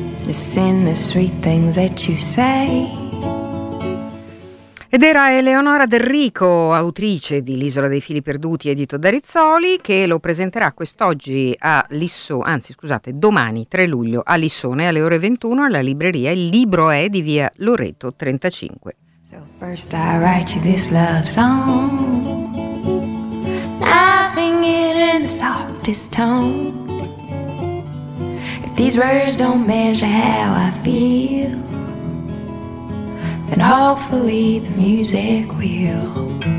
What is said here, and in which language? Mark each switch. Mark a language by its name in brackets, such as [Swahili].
[English] Sing the sweet things that you say. [Italian] Ed era Eleonora Del Rico, autrice di L'isola dei fili perduti, edito da Rizzoli, che lo presenterà quest'oggi a Lissone, anzi scusate, domani 3 luglio a Lissone alle ore 21 alla libreria Il Libro È di via Loreto 35. [English] So first I write you this love song, I sing it in the softest tone. These words don't measure how I feel, then hopefully the music will.